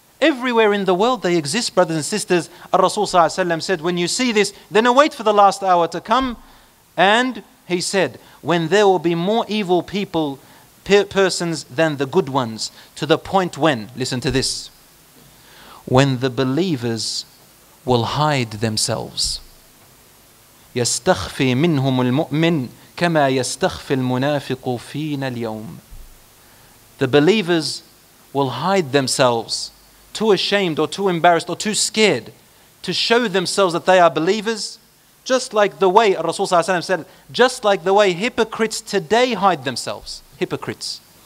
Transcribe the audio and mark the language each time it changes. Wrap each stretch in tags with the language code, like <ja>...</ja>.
<en>Everywhere in the world they exist, brothers and sisters. Rasul sallallahu alaihi wasallam said, when you see this, then await for the last hour to come. And he said, when there will be more evil people, persons than the good ones, to the point when, listen to this, when the believers will hide themselves.</en> <ar>يستخفي منهم المؤمن كما يستخفي المنافق فينا اليوم.</ar> <en>The believers will hide themselves, too ashamed or too embarrassed or too scared to show themselves that they are believers, just like the way Rasul sallallahu alaihi wasallam said, just like the way hypocrites today hide themselves. Hypocrites.</en>